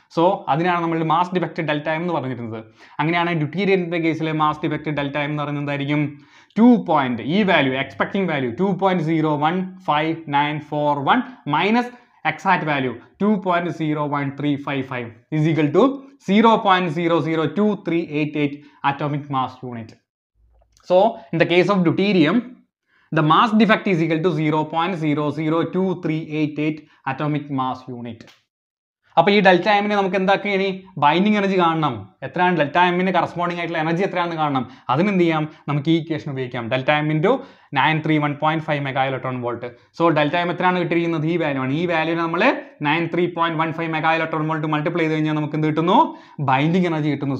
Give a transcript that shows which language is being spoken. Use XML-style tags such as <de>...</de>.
<ml>So അതിനാണ് നമ്മൾ mass defect delta എന്ന് പറഞ്ഞിരുന്നത്. അങ്ങനെയാണ് ഡ്യൂട്ടീരിയത്തിൻ്റെ കേസിലെ മാസ് ഡിഫക്റ്റ് ഡെൽറ്റ എന്ന് പറയുന്നത് എന്തായിരിക്കും? 2.</ml> <en>ഈ value expecting value 2.01594 minus exact value 2.01355 is equal to 0.002388 atomic mass unit. So, in the case of deuterium, the mass defect is equal to 0.002388 atomic mass unit.</en> <ml>അപ്പോൾ ഈ ഡെൽറ്റ എമ്മിനെ നമുക്ക് എന്താക്കി ഇനി ബൈൻഡിങ് എനർജി കാണണം. എത്രയാണ് ഡെൽറ്റ എമ്മിന് corresponding ആയിട്ടുള്ള എനർജി എത്രയാണെന്ന് കാണണം. അതിനെന്ത് ചെയ്യാം? നമുക്ക് ഈ ഇക്വേഷൻ ഉപയോഗിക്കാം, delta M into 931.5 mega electron volt. So delta M എത്രയാണ് കിട്ടിയിരിക്കുന്നത്? ഈ വാല്യൂ ആണ്. ഈ വാല്യൂനെ നമ്മൾ 93.15 മെഗാ ഇലക്ട്രോൺ വോൾട്ട് മൾട്ടിപ്ലൈ ചെയ്ത് കഴിഞ്ഞാൽ നമുക്ക് എന്ത് കിട്ടുന്നു? ബൈൻഡിങ് എനർജി കിട്ടുന്നു.</ml>